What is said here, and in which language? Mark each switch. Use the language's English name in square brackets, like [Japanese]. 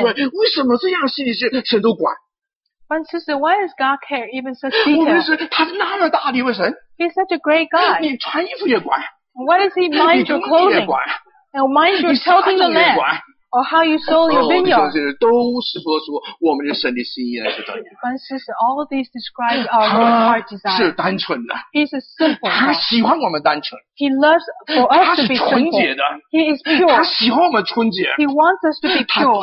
[Chinese] 为什么这样细的事神都管 [English] ？But sister, why does God care even such detail? [Chinese] 我们是他是那么大的一位神。 [English] He's such a great God. [Chinese] 你穿衣服也管。 [English] What does he mind your clothing? And mind your tilling the land? Or how you sold your vineyard. [Chinese] 哦，都是说出我们的神的心意来是怎样。 [English] My sister, all of these describe our heart desire. [Chinese] 他是单纯的。 [English] He's a simple. [Chinese] 他喜欢我们单纯。 [English] He loves for us to be simple. [Chinese] 他是纯洁的。 [English] He is pure. [Chinese] 他喜欢我们纯洁。 [English] He wants us to be pure.